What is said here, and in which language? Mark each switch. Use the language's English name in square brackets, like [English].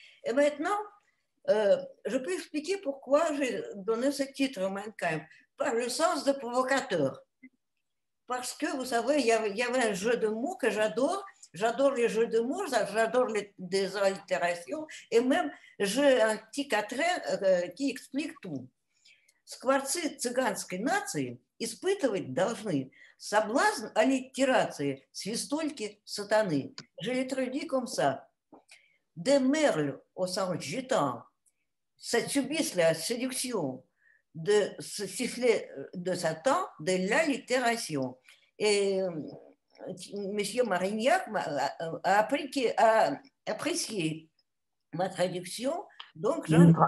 [French] Et maintenant, je peux expliquer pourquoi j'ai donné ce titre, Mein Kampf, par le sens de provocateur. Parce que, vous savez, il y avait un jeu de mots que j'adore. J'adore les jeux de mots, j'adore les des allitérations, et même j'ai un petit quatrain qui explique tout. [Russian] Скворцы цыганской нации испытывать должны соблазн аллитерации свистульки сатаны. [French] Je l'ai traduit comme ça. Des merles au sang gitan subissent la séduction de ce sifflet de Satan, de l'allitération. Et Monsieur Marignac a apprécié ma traduction, donc j'en ai.